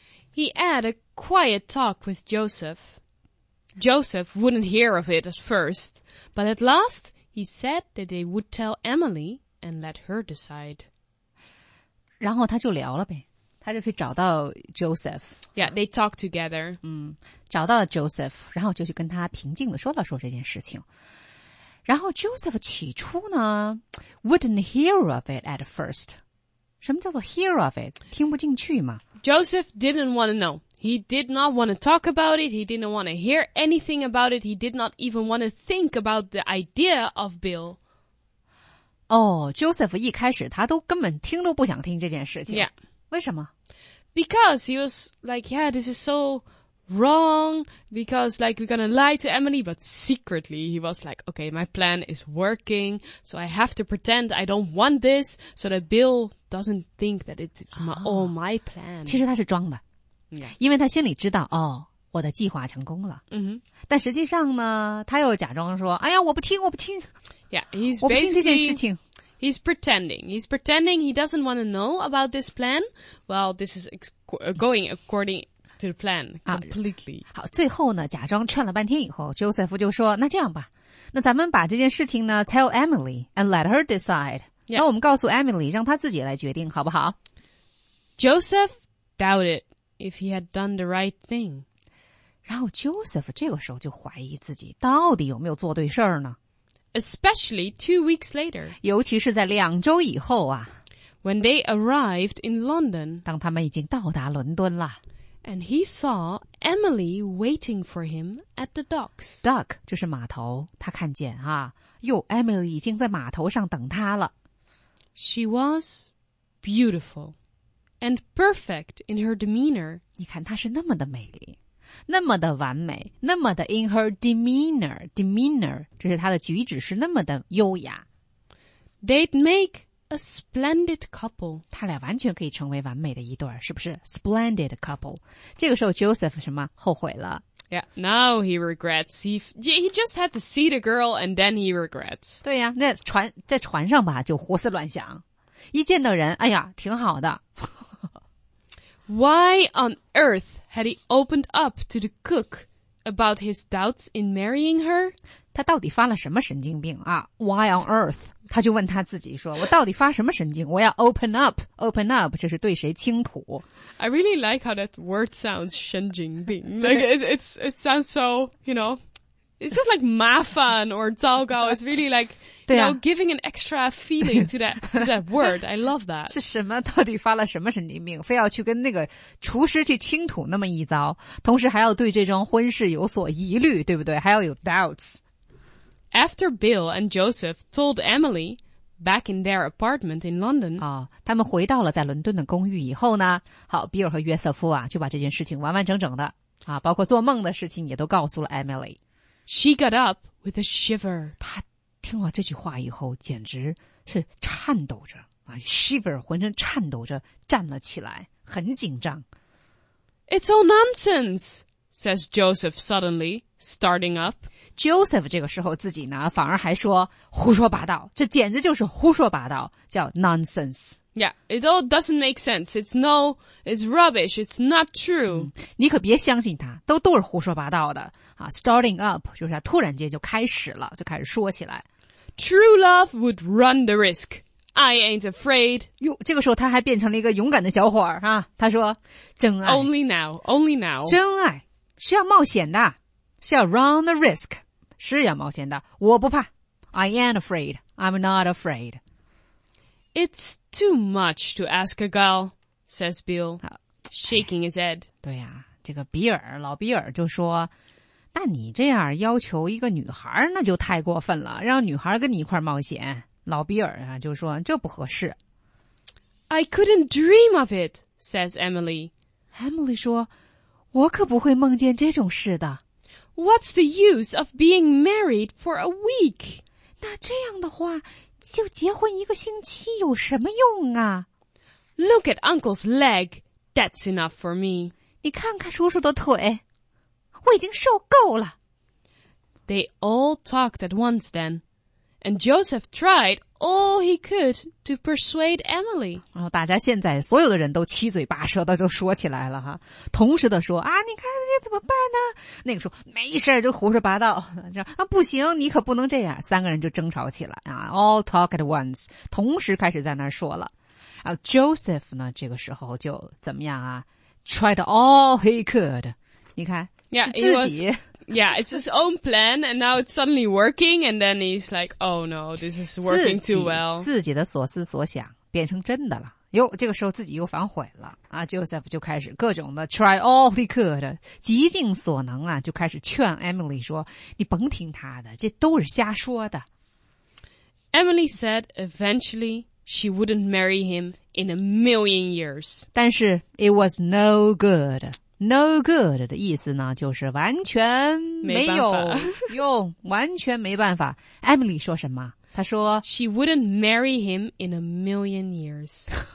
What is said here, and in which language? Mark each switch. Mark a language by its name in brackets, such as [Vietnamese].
[English] He had a quiet talk with Joseph. Joseph wouldn't hear of it at first, but at last he said that they would tell Emily and let her decide. [Chinese] 然后他就聊了呗，他就去找到 Joseph. [English] Yeah, they talked together. [Chinese] 找到了 Joseph, 然后就去跟他平静地说了说这件事情。然后 [English] Joseph [Chinese] 起初呢 [English] wouldn't hear of it at first. [Chinese] 什么叫做 hear of it? 听不进去吗? [English] Joseph didn't want to know. He did not want to talk about it. He didn't want to hear anything about it. He did not even want to think about the idea of Bill. [Chinese] Oh, Joseph 一开始他都根本听都不想听这件事情。 [English] Yeah. [Chinese] 为什么? [English] Because he was like, yeah, this is so wrong. Because like, we're going to lie to Emily. But secretly, he was like, okay, my plan is working. So I have to pretend I don't want this. So that Bill... doesn't think that it's all my plan. [Chinese] 其实他是装的、 [English] yeah. [Chinese] 因为他心里知道哦，我的计划成功了、 mm-hmm. 但实际上呢他又假装说哎呀我不听我不听 [English] yeah, he's basically, [Chinese] 我不听这件事情 [English] He's pretending he doesn't want to know about this plan. Well, this is going according to the plan completely、 [Chinese] 啊、好，最后呢假装劝了半天以后 Joseph 就说那这样吧，那咱们把这件事情呢 [English] tell Emily and let her decide。 Yeah. [Chinese] 那我们告诉 Emily, 让她自己来决定好不好? [English] Joseph doubted if he had done the right thing. [Chinese] 然后 Joseph 这个时候就怀疑自己到底有没有做对事儿呢? [English] Especially 2 weeks later. [Chinese] 尤其是在2周以后啊。 [English] When they arrived in London, [Chinese] 当他们已经到达伦敦了。 [English] And he saw Emily waiting for him at the docks. [Chinese] Dock 就是码头，他看见啊，哟 ，Emily 已经在码头上等他了。 [English] She was beautiful and perfect in her demeanor. [Chinese] 你看她是那么的美丽，那么的完美，那么的 [English] in her demeanor. [Chinese] Demeanor 就是她的举止是那么的优雅。 [English] They'd make a splendid couple. [Chinese] 他俩完全可以成为完美的一对，是不是 ？ [English] Splendid couple. [Chinese] 这个时候 ，Joseph 什么后悔了 [English] ？Yeah, now he regrets. He just had to see the girl, and then he regrets. [Chinese] 对呀，那船在船上吧，就胡思乱想，一见到人，哎呀，挺好的。 [English] Why on earth had he opened up to the cook about his doubts in marrying her? [Chinese] 他到底发了什么神经病啊 ？ [English] Why on earth? [Chinese] 他就问他自己说，我到底发什么神经，我要 [English] open up, open up, [Chinese] 这是对谁倾吐。 [English] I really like how that word sounds, [Chinese] 神经病。 [English] Like, it sounds so, you know, it's just like [Chinese] 麻烦 [English] or [Chinese] 糟糕。 [English] It's really like, you know, giving an extra feeling to that word. I love that. [Chinese] 是什么到底发了什么神经病，非要去跟那个厨师去倾吐那么一遭，同时还要对这桩婚事有所疑虑，对不对，还要有 doubts。 [English] After Bill and Joseph told Emily back in their apartment in London, [Chinese] 哦，他们回到了在伦敦的公寓以后呢，好，比尔和约瑟夫啊，就把这件事情完完整整的啊，包括做梦的事情也都告诉了 Emily. [English] She got up with a shiver. [Chinese] 她听了这句话以后，简直是颤抖着啊 ，shiver， 浑身颤抖着站了起来，很紧张。 [English] It's all nonsense. Says Joseph suddenly, starting up. [Chinese] Joseph 这个时候自己呢反而还说胡说八道，这简直就是胡说八道，叫 nonsense. [English] Yeah, it all doesn't make sense. It's rubbish. It's not true.、嗯、 [Chinese] 你可别相信他，都是胡说八道的啊。 [English] Starting up, [Chinese] 就是他突然间就开始了，就开始说起来。 [English] True love would run the risk. I ain't afraid. [Chinese] 哟，这个时候他还变成了一个勇敢的小伙儿啊，他说真爱。 [English] Only now. [Chinese] 真爱。是要冒险的，是要 [English] run the risk， [Chinese] 是要冒险的，我不怕。 [English] I ain't afraid. I'm not afraid. It's too much to ask a girl, says Bill, shaking his head. [Chinese] 对呀、啊、这个比尔，老比尔就说，那你这样要求一个女孩那就太过分了，让女孩跟你一块冒险。老比尔啊就说，这不合适。 [English] I couldn't dream of it, says Emily. [Chinese] Emily 说，我可不会梦见这种事的。 [English] What's the use of being married for a week? [Chinese] 那这样的话，就结婚一个星期有什么用啊 [English] ？Look at Uncle's leg. That's enough for me. [Chinese] 你看看叔叔的腿，我已经受够了。 [English] They all talked at once then, and Joseph tried all he could to persuade Emily. [Chinese] 然后大家现在所有的人都七嘴八舌的就说起来了哈，同时的说啊，你看。怎么办呢？那个说没事就胡说八道，说啊不行，你可不能这样。三个人就争吵起来啊 ， [English] all talk at once， [Chinese] 同时开始在那儿说了。然后 Joseph 呢，这个时候就怎么样啊 ？ [English] Tried all he could， [Chinese] 你看， [English] yeah, [Chinese] 自己 [English] it's his own plan， and now it's suddenly working， and then he's like， oh no， this is working too well， [Chinese] 自己的所思所想变成真的了。哟，这个时候自己又反悔了啊 ！Joseph 就开始各种的 [English] try all he could， [Chinese] 极尽所能啊，就开始劝 Emily 说：“你甭听他的，这都是瞎说的。” [English] Emily said eventually she wouldn't marry him in a million years. [Chinese] 但是 [English] it was no good. No good [Chinese] 的意思呢，就是完全没有用，完全没办法。 Emily 说什么？她说 [English] she wouldn't marry him in a million years.